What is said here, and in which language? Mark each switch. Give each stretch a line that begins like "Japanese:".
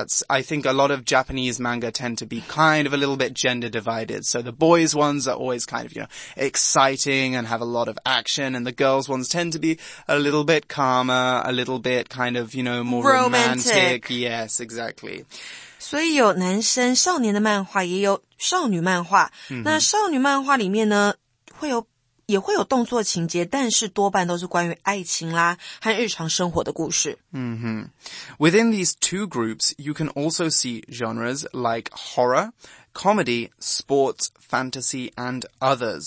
English: I think a lot of Japanese manga tend to be kind of a little bit gender divided. So the boys ones are always kind of, you know, exciting and have a lot of action. And the girls ones tend to be a little bit calmer, a little bit kind of, you know, more romantic. Yes, exactly.
Chinese: 所以有男生少年的漫画也有少女漫画。那少女漫画里面呢会有也会有动作情节，但是多半都是关于爱情啦和日常生活的故事。
English: Within these two groups, you can also see genres like horror, comedy, sports, fantasy, and others.